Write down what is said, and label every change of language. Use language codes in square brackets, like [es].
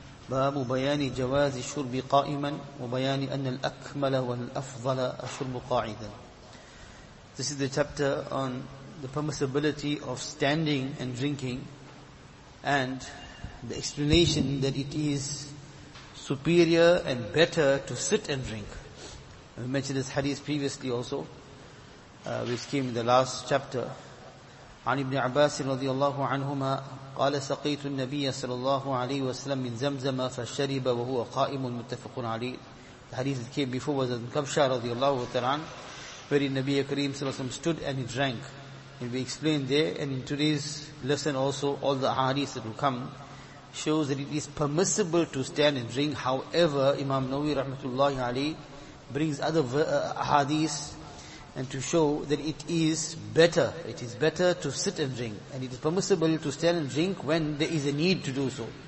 [ar] باب بيان جواز الشرب قائما وبيان أن الأكمل والأفضل الشرب قاعدا. [en] This is the chapter on the permissibility of standing and drinking, and the explanation that it is superior and better to sit and drink. We mentioned this hadith previously also, which came in the last chapter. [ar] عن ابن عباس رضي الله عنهما قال سقيت النبي صلى الله عليه وسلم من زمزم فشرب وهو قائم متفق عليه. [en] The hadith that came before was in Kabsha [ar] رضي الله تعالى عنه, [en] where [ar] النبي كريم صلى الله عليه وسلم [en] stood and he drank. And we explained there, and in today's lesson also, all the hadith that will come shows that it is permissible to stand and drink. However, Imam Nawawi [ar] رحمه الله [en] brings other hadith and to show that it is better to sit and drink, and it is permissible to stand and drink when there is a need to do so.